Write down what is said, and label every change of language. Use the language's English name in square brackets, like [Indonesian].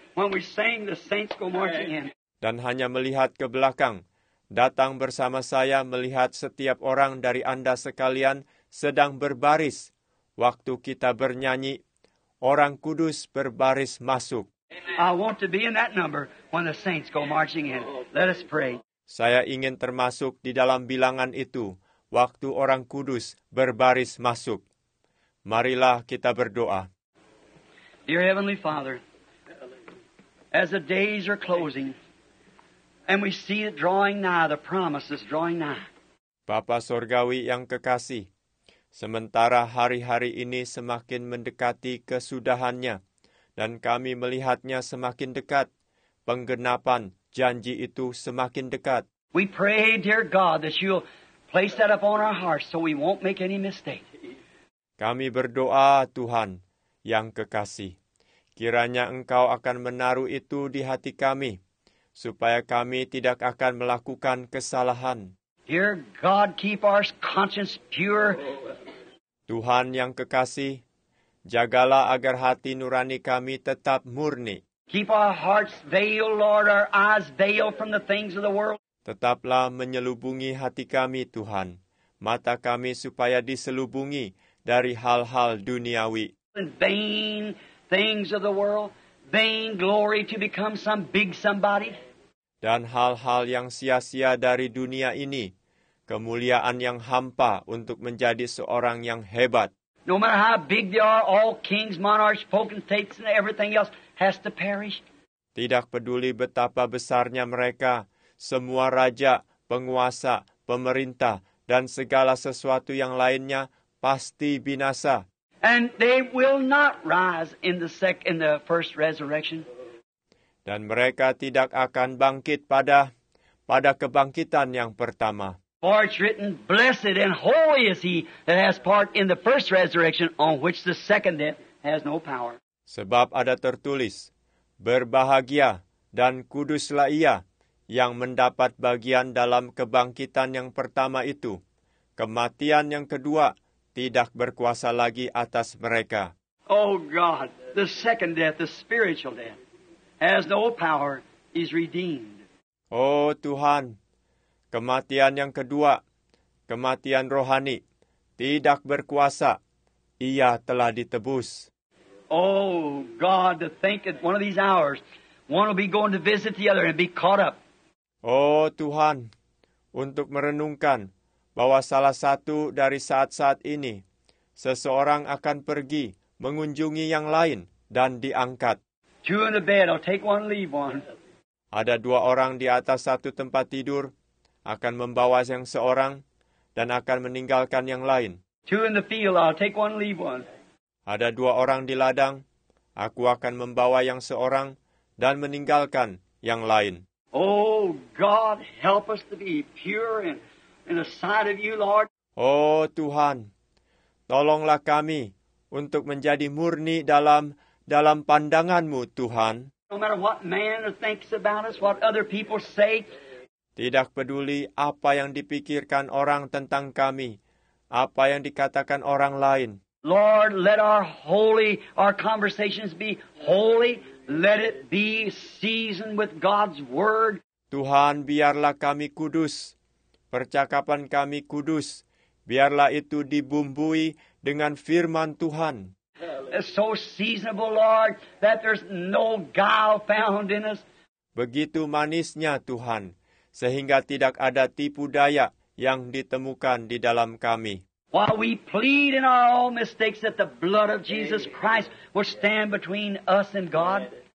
[English] When we sing, the saints go marching in. [Indonesian] Dan hanya melihat ke belakang. Datang bersama saya melihat setiap orang dari Anda sekalian sedang berbaris. Waktu kita bernyanyi, orang kudus berbaris masuk. [English] I want to be in that number when the saints go marching in. Let us pray. [Indonesian] Saya ingin termasuk di dalam bilangan itu waktu orang kudus berbaris masuk. Marilah kita berdoa. [English] Dear Heavenly Father, as the days are closing and we see it drawing nigh, the promise is drawing nigh. [Indonesian] Bapa Sorgawi yang kekasih, sementara hari-hari ini semakin mendekati kesudahannya, dan kami melihatnya semakin dekat, penggenapan janji itu semakin dekat. [English] We pray, dear God, that you'll place that upon our hearts so we won't make any mistake. [Indonesian] Kami berdoa, Tuhan yang kekasih, kiranya Engkau akan menaruh itu di hati kami, supaya kami tidak akan melakukan kesalahan. [English] Dear God, keep our conscience pure. [Indonesian] Tuhan yang kekasih, jagalah agar hati nurani kami tetap murni. [English] Keep our hearts veiled, Lord, our eyes veiled from the things of the world. [Indonesian] Tetaplah menyelubungi hati kami, Tuhan, mata kami supaya diselubungi dari hal-hal duniawi. [English] In vain things of the world, vain glory to become some big somebody. [Indonesian] Dan hal-hal yang sia-sia dari dunia ini, kemuliaan yang hampa untuk menjadi seorang yang hebat. [English] No matter how big they are, all kings, monarchs, potentates, and everything else has to perish. [Indonesian] Tidak peduli betapa besarnya mereka, semua raja, penguasa, pemerintah, dan segala sesuatu yang lainnya pasti binasa. [English] And they will not rise in the first resurrection. [Indonesian] Dan mereka tidak akan bangkit pada kebangkitan yang pertama. [English] For it's written, blessed and holy is he that has part in the first resurrection, on which the second death has no power. [Indonesian] Sebab ada tertulis, berbahagia dan kuduslah ia yang mendapat bagian dalam kebangkitan yang pertama itu. Kematian yang kedua tidak berkuasa lagi atas mereka. [English] Oh God, the second death, the spiritual death, has no power, is redeemed. [Indonesian] Oh Tuhan, kematian yang kedua, kematian rohani, tidak berkuasa, ia telah ditebus. [English] Oh God, to think that one of these hours, one will be going to visit the other and be caught up. [Indonesian] Oh Tuhan, untuk merenungkan bahwa salah satu dari saat-saat ini, seseorang akan pergi mengunjungi yang lain dan diangkat. [English] Two in the bed, I'll take one, leave one. [Indonesian] Ada dua orang di atas satu tempat tidur, akan membawa yang seorang dan akan meninggalkan yang lain. [English] Two in the field, I'll take one, leave one. [Indonesian] Ada dua orang di ladang, aku akan membawa yang seorang dan meninggalkan yang lain. [English] Oh God, help us to be pure in the sight of you, Lord. [Indonesian] Oh Tuhan, tolonglah kami untuk menjadi murni dalam pandangan-Mu, Tuhan. [English] No matter what man thinks about us, what other people say. [Indonesian] Tidak peduli apa yang dipikirkan orang tentang kami, apa yang dikatakan orang lain. [English] Lord, let our conversations be holy. Let it be seasoned with God's word. [Indonesian] Tuhan, biarlah kami kudus. Percakapan kami kudus. Biarlah itu dibumbui dengan firman Tuhan. [English] It's so seasonable, Lord, that there's no guile found in us. [Indonesian] Begitu manisnya, Tuhan, sehingga tidak ada tipu daya yang ditemukan di dalam kami. [English] While we plead in our own mistakes that the blood of Jesus Christ will stand between us and God.